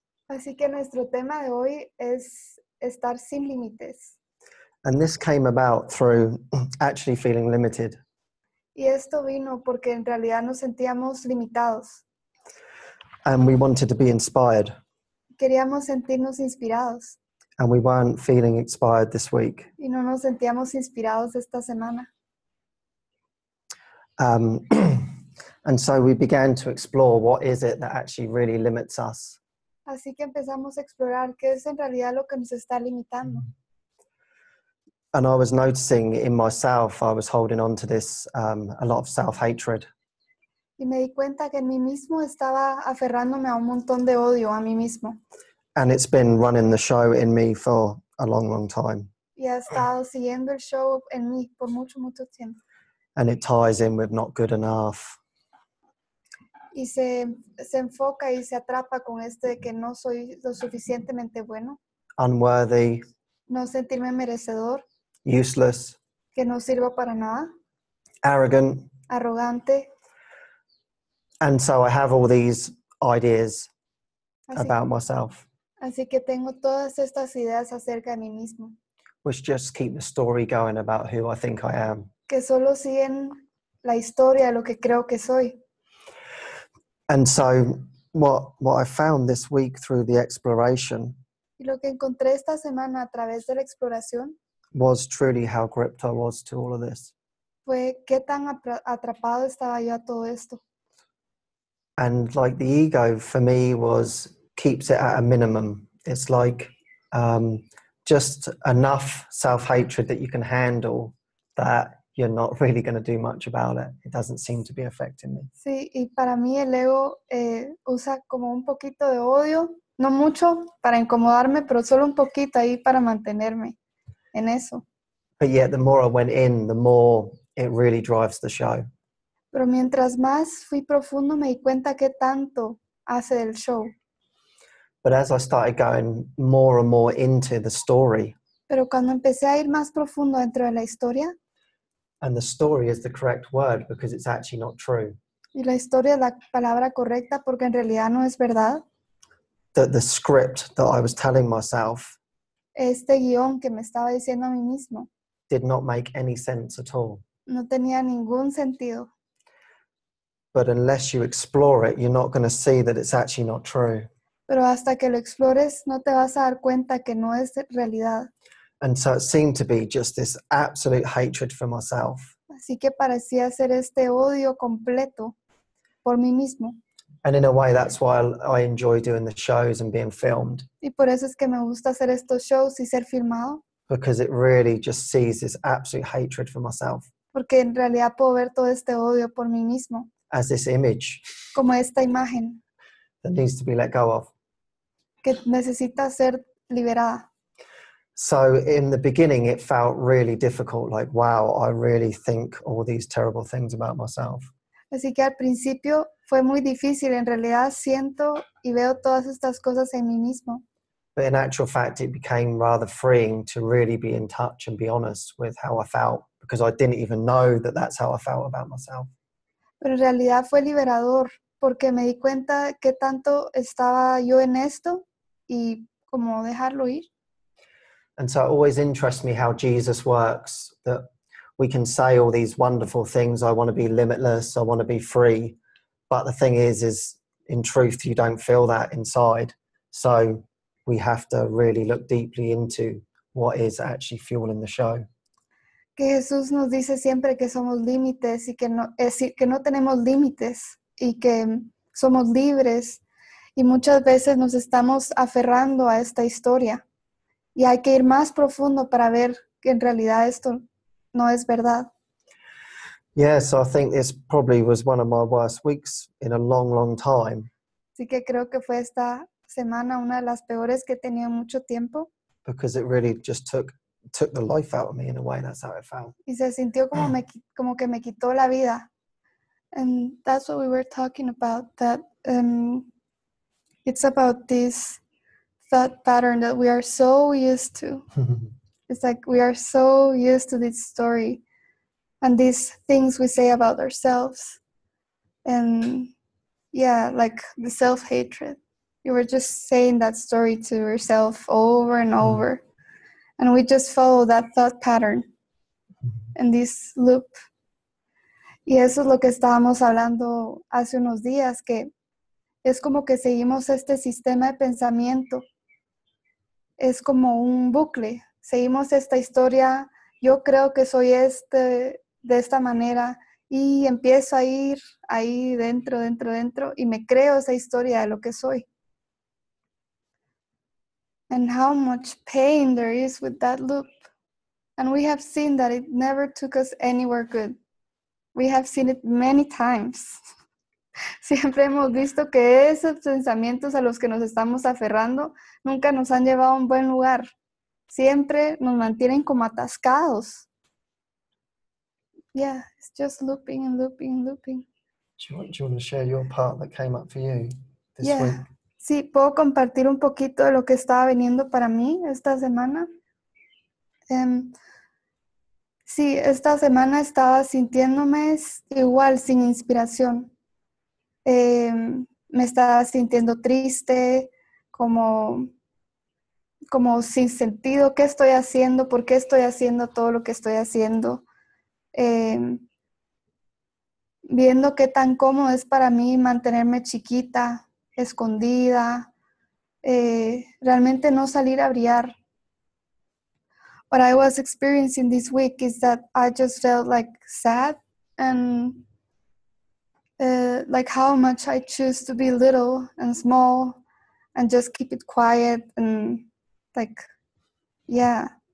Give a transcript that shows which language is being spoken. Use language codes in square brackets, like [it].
[es] Así que nuestro tema de hoy es estar sin límites. [en] And this came about through actually feeling limited. [es] Y esto vino porque en realidad nos sentíamos limitados. [en] And we wanted to be inspired. [es] Queríamos sentirnos inspirados. [en] And we weren't feeling inspired this week. [es] Y no nos sentíamos inspirados esta semana. [en] And so we began to explore what is it that actually really limits us. [es] Así que empezamos a explorar qué es en realidad lo que nos está limitando. [en] And I was noticing in myself, I was holding on to this, a lot of self-hatred. [es] Y me di cuenta que en mí mismo estaba aferrándome a un montón de odio a mí mismo. [en] And it's been running the show in me for a long, long time. [es] Y ha estado siguiendo el show en mí por mucho, mucho tiempo. [en] And it ties in with not good enough. [es] Y se enfoca y se atrapa con este de que no soy lo suficientemente bueno. [en] Unworthy. [es] No sentirme merecedor. [en] Useless. [es] Que no sirva para nada. [en] Arrogant. [es] Arrogante. [en] And so I have all these ideas about myself. [es] Así que tengo todas estas ideas acerca de mí mismo. [en] Which just keep the story going about who I think I am. [es] Que solo siguen la historia de lo que creo que soy. [en] And so what I found this week through the exploration. [es] Y lo que encontré esta semana a través de la exploración. [en] Was truly how gripped I was to all of this. [es] Fue qué tan atrapado estaba yo a todo esto. [en] And like the ego for me was keeps it at a minimum. It's like just enough self-hatred that you can handle that you're not really going to do much about it. It doesn't seem to be affecting me. [es] Sí, y para mí el ego usa como un poquito de odio, no mucho para incomodarme, pero solo un poquito ahí para mantenerme. En eso. [en] But yet, the more I went in, the more it really drives the show. [es] Pero mientras más fui profundo, me di cuenta qué tanto hace el show. [en] But as I started going more and more into the story, [es] pero cuando empecé a ir más profundo dentro de la historia, [en] and the story is the correct word because it's actually not true. [es] Y la historia es la palabra correcta porque en realidad no es verdad. [en] That the script that I was telling myself. [es] Este guión que me estaba diciendo a mí mismo. [en] Did not make any sense at all. [es] No tenía ningún sentido. [en] But unless you explore it, you're not going to see that it's actually not true. [es] Pero hasta que lo explores, no te vas a dar cuenta que no es realidad. [en] And so it seemed to be just this absolute hatred for myself. [es] Así que parecía ser este odio completo por mí mismo. [en] And in a way, that's why I enjoy doing the shows and being filmed. [es] Y por eso es que me gusta hacer estos shows y ser filmado. [en] Because it really just sees this absolute hatred for myself. [es] Porque en realidad puedo ver todo este odio por mí mismo. [en] As this image. [es] Como esta imagen. [en] That needs to be let go of. [es] Que necesita ser liberada. [en] So in the beginning, it felt really difficult. Like, wow, I really think all these terrible things about myself. [es] Así que al principio fue muy difícil. En realidad siento y veo todas estas cosas en mí mismo. [en] But in actual fact, it became rather freeing to really be in touch and be honest with how I felt because I didn't even know that that's how I felt about myself. [es] Pero en realidad fue liberador porque me di cuenta qué tanto estaba yo en esto y como dejarlo ir. [en] And so it always interests me how Jesus works, that we can say all these wonderful things, I want to be limitless, I want to be free. But the thing is in truth, you don't feel that inside. So we have to really look deeply into what is actually fueling the show. [es] Que Jesús nos dice siempre que somos límites y que no, es decir, que no tenemos límites y que somos libres. Y muchas veces nos estamos aferrando a esta historia. Y hay que ir más profundo para ver que en realidad esto no es verdad. [en] Yes, I think this probably was one of my worst weeks in a long, long time. [es] Sí que creo que fue esta semana una de las peores que he tenido mucho tiempo. [en] Because it really just took the life out of me in a way, that's how it felt. [es] Y se sintió como, como que me quitó la vida. [en] And that's what we were talking about, that it's about this thought pattern that we are so used to. It's like we are so used to this story and these things we say about ourselves. And yeah, like the self-hatred. You were just saying that story to yourself over and over. And we just follow that thought pattern and this loop. [es] Y eso es lo que estábamos hablando hace unos días, que es como que seguimos este sistema de pensamiento. Es como un bucle. Seguimos esta historia. Yo creo que soy este de esta manera. Y empiezo a ir ahí dentro, dentro, dentro. Y me creo esa historia de lo que soy. [en] And how much pain there is with that loop. And we have seen that it never took us anywhere good. We have seen it many times. [es] Siempre hemos visto que esos pensamientos a los que nos estamos aferrando nunca nos han llevado a un buen lugar. Siempre nos mantienen como atascados. [en] Yeah, it's just looping and looping and looping. Do you want to share your part that came up for you this week? [es] Sí, puedo compartir un poquito de lo que estaba viniendo para mí esta semana. Sí, esta semana estaba sintiéndome igual, sin inspiración. Me estaba sintiendo triste, como sin sentido. ¿Qué estoy haciendo? ¿Por qué estoy haciendo todo lo que estoy haciendo? Viendo qué tan cómodo es para mí mantenerme chiquita, escondida. Realmente no salir a brillar. [en] What I was experiencing this week is that I just felt like sad and like how much I choose to be little and small and just keep it quiet and like, yeah.